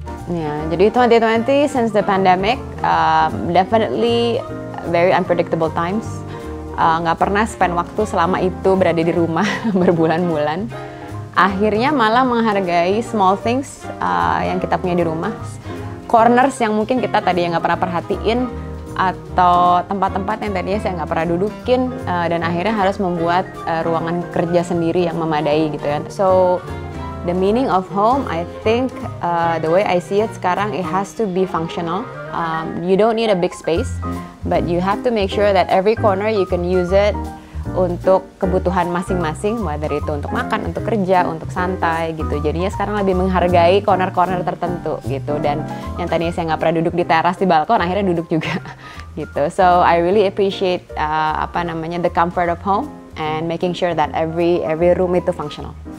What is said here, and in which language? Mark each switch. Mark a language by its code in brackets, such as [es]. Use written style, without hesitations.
[id] Ya, jadi [en] 2020 since the pandemic definitely very unpredictable times. [id] Nggak pernah spend waktu selama itu berada di rumah berbulan-bulan. Akhirnya malah menghargai [en] small things [id] yang kita punya di rumah, corners yang mungkin kita tadi yang nggak pernah perhatiin atau tempat-tempat yang tadinya saya nggak pernah dudukin, dan akhirnya harus membuat ruangan kerja sendiri yang memadai gitu ya. [en] So the meaning of home, I think the way I see it sekarang, it has to be functional. You don't need a big space, but you have to make sure that every corner you can use it [id] untuk kebutuhan masing-masing, [en] whether [id] itu untuk makan, untuk kerja, untuk santai gitu. Jadinya sekarang lebih menghargai corner-corner tertentu gitu. Dan yang tadinya saya nggak pernah duduk di teras, di balkon, akhirnya duduk juga gitu. [en] So I really appreciate the comfort of home and making sure that every room itu functional.